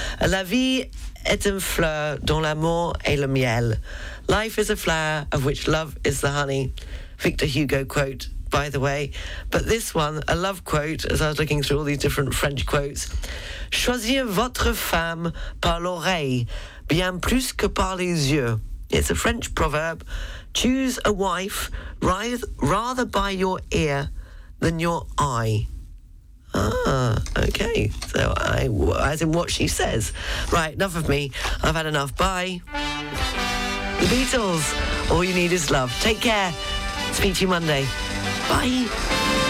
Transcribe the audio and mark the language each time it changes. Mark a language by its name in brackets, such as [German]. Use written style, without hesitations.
[French] La vie est une fleur dont l'amour est le miel. [English] Life is a flower of which love is the honey. Victor Hugo quote, by the way. But this one, a love quote, as I was looking through all these different French quotes. [French] Choisir votre femme par l'oreille, bien plus que par les yeux. [English] It's a French proverb. Choose a wife rather by your ear than your eye. Okay. So I, as in what she says. Right, enough of me. I've had enough. Bye. The Beatles. All You Need Is Love. Take care. Speak to you Monday. Bye.